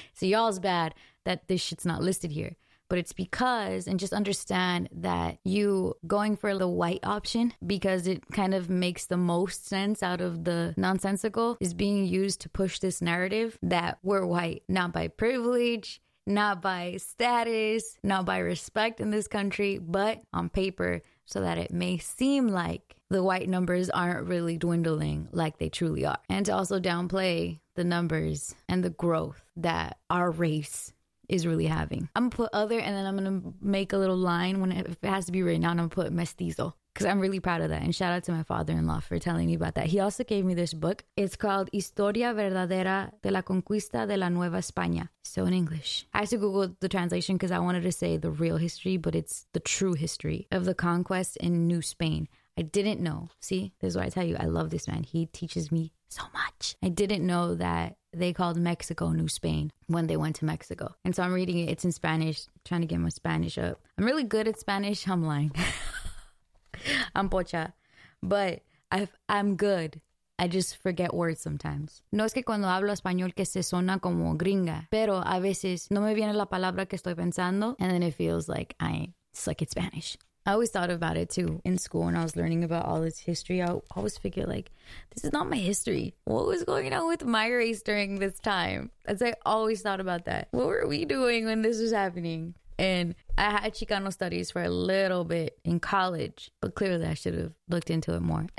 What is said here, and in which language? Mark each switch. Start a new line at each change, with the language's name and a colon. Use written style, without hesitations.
English: So y'all's bad that this shit's not listed here. But it's because, and just understand that you going for the white option, because it kind of makes the most sense out of the nonsensical, is being used to push this narrative that we're white, not by privilege, not by status, not by respect in this country, but on paper, so that it may seem like the white numbers aren't really dwindling like they truly are. And to also downplay the numbers and the growth that our race is really having. I'm gonna put other, and then I'm gonna make a little line when it, if it has to be written out, I'm gonna put mestizo, because I'm really proud of that. And shout out to my father-in-law for telling me about that. He also gave me this book. It's called Historia Verdadera de la Conquista de la Nueva España. So in English, I had to Google the translation because I wanted to say the real history, but it's the true history of the conquest in New Spain. I didn't know. See, this is why I tell you, I love this man. He teaches me so much. I didn't know that they called Mexico New Spain when they went to Mexico. And so I'm reading it. It's in Spanish, trying to get my Spanish up. I'm really good at Spanish. I'm lying. I'm pocha. But I'm good. I just forget words sometimes.
Spanish: No es que cuando hablo español que se suena como gringa. Pero a veces no me viene la palabra que estoy pensando.
English: And then it feels like I ain't. Suck at Spanish. I always thought about it too in school when I was learning about all this history. I always figured like, this is not my history. What was going on with my race during this time? As I always thought about that. What were we doing when this was happening? And I had Chicano studies for a little bit in college, but clearly I should have looked into it more.